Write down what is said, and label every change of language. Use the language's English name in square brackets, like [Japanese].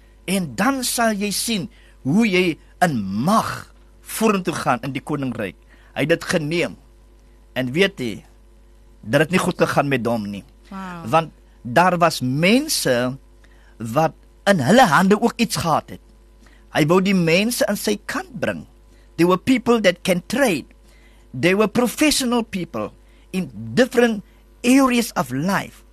[Afrikaans] En dan sal jy sien hoe jy in mag vorentoe gaan in die koninkryk. Hy het dit geneem. En weet jy, dat het nie goed gegaan met hom nie. Wow. Want daar was mense wat in hulle hande ook iets gehad het. Hy wou die mense aan sy kant bring. [English] They were people that can trade. They were professional people in different areas of life.